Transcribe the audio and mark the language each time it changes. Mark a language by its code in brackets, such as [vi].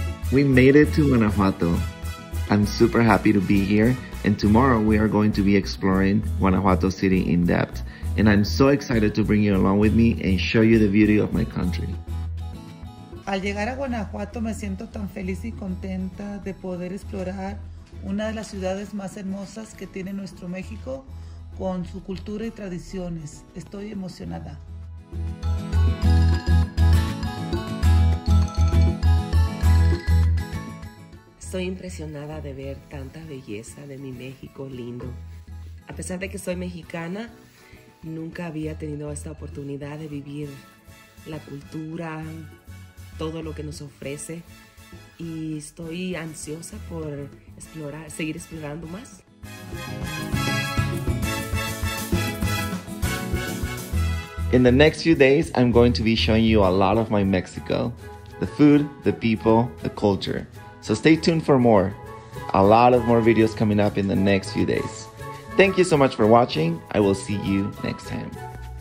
[en] We made it to Guanajuato. I'm super happy to be here. And tomorrow we are going to be exploring Guanajuato City in depth. And I'm so excited to bring you along with me and show you the beauty of my country. [es] Al llegar a Guanajuato me siento tan feliz y contenta de poder explorar una de las ciudades más hermosas que tiene nuestro México con su cultura y tradiciones. Estoy emocionada. Estoy impresionada de ver tanta belleza de mi México lindo. A pesar de que soy mexicana, nunca había tenido esta oportunidad de vivir la cultura, todo lo que nos ofrece, y estoy ansiosa por explorar, seguir explorando más. [en] In the next few days, I'm going to be showing you a lot of my Mexico, the food, the people, the culture. So stay tuned for more. A lot of more videos coming up in the next few days. Thank you so much for watching. I will see you next time.